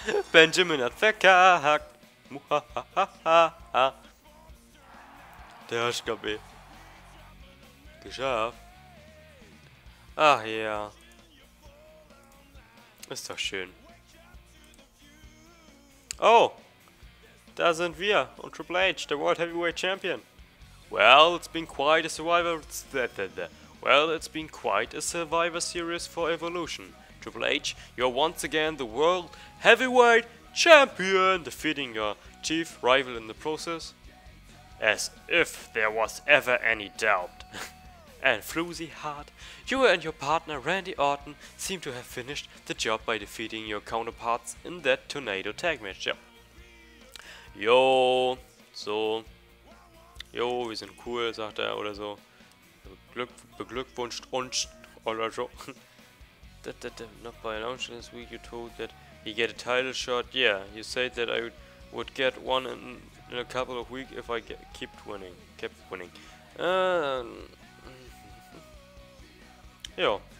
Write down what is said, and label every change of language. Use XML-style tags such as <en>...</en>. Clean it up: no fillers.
<de>Benjamin hat verkackt. Muhahaha. Der HKB. Geschafft. Ach ja. Yeah. Ist doch schön. Oh! Da sind wir und Triple H, der World Heavyweight Champion.</de> <en>Well, it's been quite a Survivor... Well, it's been quite a Survivor Series for Evolution. Triple H, you're once again the World Heavyweight Champion, defeating your chief rival in the process. As if there was ever any doubt. And Floozy Heart, you and your partner Randy Orton seem to have finished the job by defeating your counterparts in that Tornado Tag Matchup.</en> <de>Yo, so, yo, wir sind cool, sagt er oder so. Beglückwunscht uns oder so.</de> <en>Not by launching this week, you told that you get a title shot. Yeah, you said that I would get one in a couple of weeks if I kept winning.</en> <de>Ja.</de>